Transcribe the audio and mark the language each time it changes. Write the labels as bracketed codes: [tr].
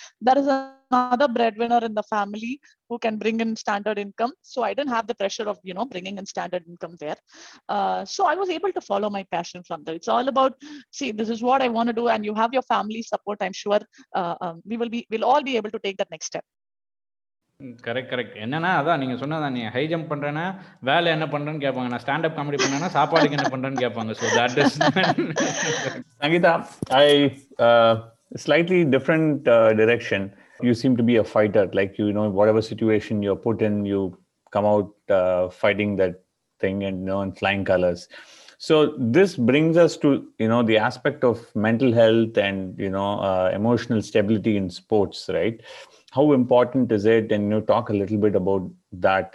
[en] There is another breadwinner in the family who can bring in standard income. So I didn't have the pressure of, you know, bringing in standard income there. So I was able to follow my passion from there. It's all about, see, this is what I want to do. And you have your family support. I'm sure we'll all be able to take that next step. Correct. [ta] என்னன்னா அதான் நீங்க சொன்னதா, நீ high jump பண்றனா வேலை என்ன பண்றேன்னு கேட்பாங்க, நான் ஸ்டாண்ட் அப் காமெடி பண்ணனா சாப்பாடுக்கு என்ன பண்றேன்னு கேட்பாங்க. [en] So that is Sangeetha, I slightly different direction. You seem to be a fighter. Like, you know, whatever situation you're put in, you come out fighting that thing and, you know, and flying colors. So this brings us to, you know, the aspect of mental health and, you know, emotional stability in sports, right? How important is it? And, you know, talk a little bit about that.